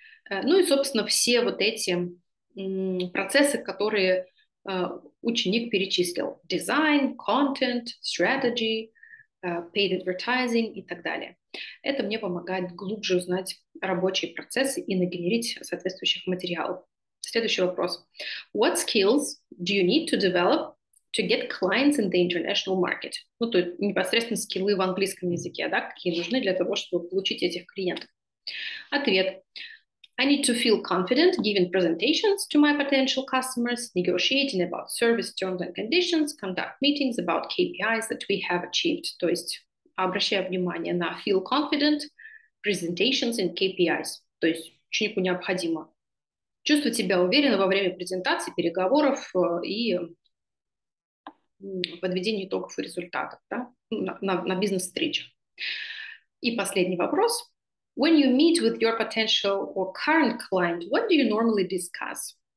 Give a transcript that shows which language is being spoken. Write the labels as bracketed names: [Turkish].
[Russian] Ну и, собственно, все вот эти процессы, которые ученик перечислил. [English] Design, content, strategy, paid advertising [Russian] и так далее. Это мне помогает глубже узнать рабочие процессы и нагенерить соответствующих материалов. Следующий вопрос. [English] What skills do you need to develop to get clients in the international market? [Russian] Ну, то есть непосредственно скиллы в английском языке, да, какие нужны для того, чтобы получить этих клиентов. Ответ. [English] I need to feel confident giving presentations to my potential customers, negotiating about service terms and conditions, conduct meetings about KPIs that we have achieved. [Russian] То есть обращаю внимание на [English] feel confident, presentations and KPIs. [Russian] То есть ученику необходимо чувствовать себя уверенно во время презентации, переговоров и подведения итогов и результатов, да, на бизнес-встречах. И последний вопрос. [English] When you meet with your potential or current client, what do you normally discuss?